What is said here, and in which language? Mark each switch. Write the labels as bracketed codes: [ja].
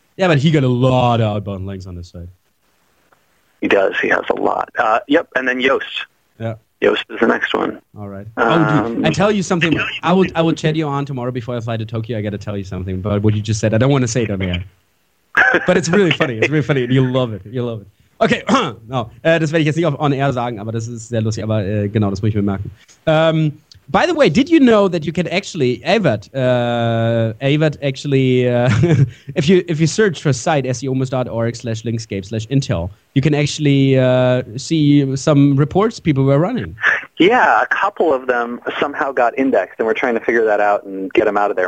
[en] Yeah, but he got a lot of outbound links on this site. He does. He has a lot. Yep. And then Yoast. Yeah. Yoast is the next one. All right. I tell you something. I will chat you on tomorrow before I fly to Tokyo. I got to tell you something about what you just said. I don't want to say it on the air. But it's really funny. It's really funny. You love it. Okay. No. [de] Das werde ich jetzt nicht on air sagen, aber das ist sehr lustig. Aber genau, das muss ich mir merken. [en] By the way, did you know that you can actually, Avert actually, if you search for site seomoz.org/linkscape/intel, you can actually see some reports people were running. Yeah, a couple of them somehow got indexed, and we're trying to figure that out and get them out of there.